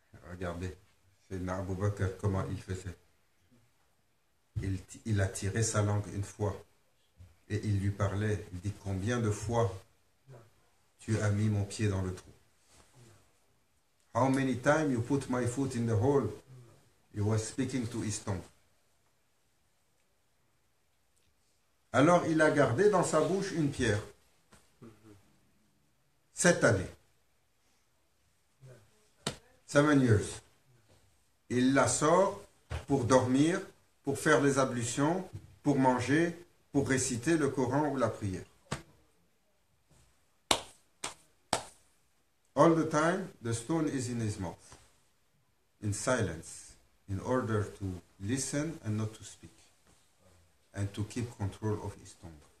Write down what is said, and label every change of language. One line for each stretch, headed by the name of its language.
French: Regardez, Seyyidina Abou Bakr, comment il faisait. Il a tiré sa langue une fois et il lui parlait. Il dit, combien de fois tu as mis mon pied dans le trou?
English: How many times you put my foot in the hole? He was speaking to his tongue.
French: Alors il a gardé dans sa bouche une pierre. Cette année.
English: 7 years.
French: Il la sort pour dormir, pour faire les ablutions, pour manger, pour réciter le Coran ou la prière.
English: All the time, the stone is in his mouth, in silence, in order to listen and not to speak, and to keep control of his tongue.